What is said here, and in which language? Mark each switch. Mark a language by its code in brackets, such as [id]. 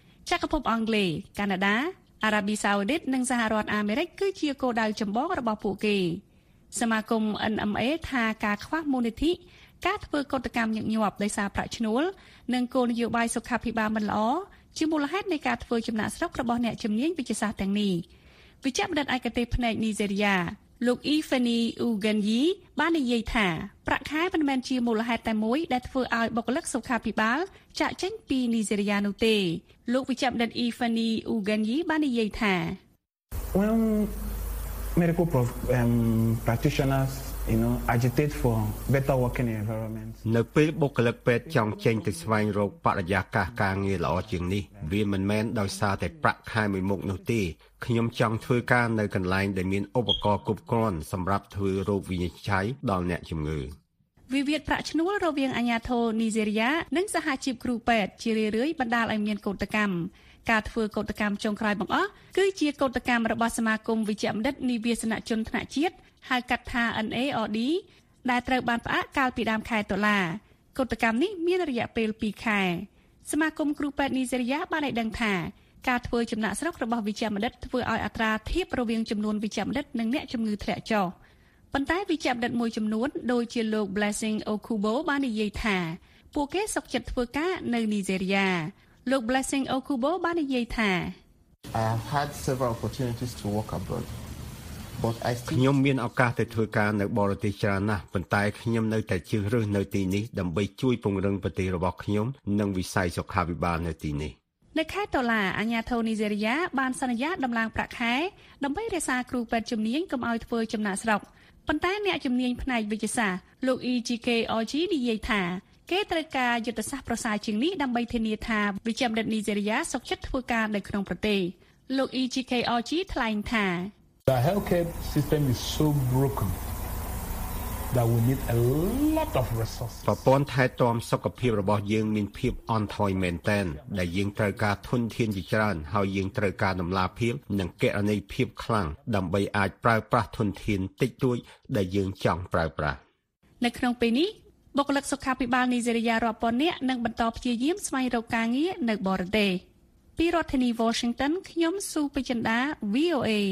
[km] ចក្រភពអង់គ្លេសកាណាដាអារ៉ាប៊ីសាអូឌីតនិងសហរដ្ឋអាមេរិកគឺជាគោលដៅចម្បងរបស់ពួកគេសមាគម NMA ថាការខ្វះមូលនិធិការធ្វើកតកម្មញឹកញាប់ដោយសារប្រាក់ឈ្នួលនិងគោលនយោបាយសុខាភិបាលមិនល្អជាមូលហេតុនៃការធ្វើចំណាក់ស្រុករបស់អ្នកជំនាញវិជ្ជាសាស្ត្រទាំងនេះ វិជ្ជបណ្ឌិតឯកទេសផ្នែកនីហ្សេរីយ៉ាលោកអ៊ីហ្វេនីអ៊ូហ្គានយីបាននិយាយថាប្រាក់ខែមិនមែនជាមូលហេតុតែមួយដែលធ្វើឲ្យបុគ្គលិកសុខាភិបាលចាកចេញពីនីហ្សេរីយ៉ានោះទេលោកវិជ្ជបណ្ឌិតអ៊ីហ្វេនីអ៊ូហ្គានយីបាននិយាយថា [en] When medical practitioners agitate for better working environment [km] នៅពេលបុគ្គលិកពេទ្យចង់ចេញទៅស្វែងរកបរិយាកាសការងារល្អជាងនេះវាមិនមែនដោយសារតែប្រាក់ខែមួយមុខនោះទេខ្ញុំចង់ធ្វើការនៅកន្លែងដែលមានឧបករណ៍គ្រប់គ្រាន់សម្រាប់ធ្វើរោគវិនិច្ឆ័យដល់អ្នកជំងឺ វាវិវាទប្រាក់ឈ្នួលរវាងអាញាធរនីហ្សេរីយ៉ានិងសហជីពគ្រូពេទ្យជារឿយៗបណ្ដាលឲ្យមានកោតកម្មការធ្វើកោតកម្មចុងក្រោយបង្អស់គឺជាកោតកម្មរបស់សមាគមវិជ្ជបណ្ឌិតនីវាសនជនថ្នាក់ជាតិហៅកាត់ថា NAOD ដែលត្រូវបានផ្អាកកាលពីដើមខែតុលាកោតកម្មនេះមានរយៈពេល2ខែសមាគមគ្រូពេទ្យនីហ្សេរីយ៉ាបានឲ្យដឹងថាការធ្វើចំណាក់ស្រុករបស់វិជ្ជបណ្ឌិតធ្វើឲ្យអត្រាធៀបរវាងចំនួនវិជ្ជបណ្ឌិតនិងអ្នកជំងឺធ្លាក់ចុះប៉ុន្តែវិជ្ជបណ្ឌិតមួយចំនួនដូចជាលោក Blessing Okubo បាននិយាយថាពួកគេសុខចិត្តធ្វើការនៅនីហ្សេរីយ៉ាលោក Blessing Okubo បាននិយាយថា [en] I had several opportunities to work abroad but I [km] ខ្ញុំមានឱកាសទៅធ្វើការនៅបរទេសច្រើនណាស់ប៉ុន្តែខ្ញុំនៅតែជ្រើសរើសនៅទីនេះដើម្បីជួយពង្រឹងប្រទេសរបស់ខ្ញុំនិងវិស័យសុខាភិបាលនៅទីនេះ នៅខែតុលាអាញាធូនីហ្សេរីយ៉ាបានសន្យាដំឡើងប្រាក់ខែដើម្បីរក្សាគ្រូពេទ្យជំនាញកុំឲ្យធ្វើចំណាក់ស្រុកប៉ុន្តែអ្នកជំនាញផ្នែកវិជ្ជាសាស្ត្រលោក EGK OG និយាយថា គេត្រូវការយុទ្ធសាស្ត្រប្រសើរជាងនេះដើម្បីធានាថាវិជ្ជាជីវៈនីជេរីយ៉ាសុខចិត្តធ្វើការនៅក្នុងប្រទេសលោក EGKRG ថ្លែងថា [en] The healthcare system is so broken that we need a lot of resources [km] ប្រព័ន្ធថែទាំសុខភាពរបស់យើងមានភាពអន់ថយមែនទែនដែលយើងត្រូវការធនធានជាច្រើនហើយយើងត្រូវការដំណាភៀមនិងកណីភាពខ្លាំងដើម្បីអាចប្រើប្រាស់ធនធានតិចតួចដែលយើងចង់ប្រើប្រាស់នៅក្នុងពេលនេះបុគ្គលិកសុខាភិបាលនីជេរីយ៉ារាប់ពាន់នាក់នឹងបន្តព្យាយាមស្វែងរកការងារនៅបរទេសពីរដ្ឋធានី Washington ខ្ញុំស៊ូបេចិនដា VOA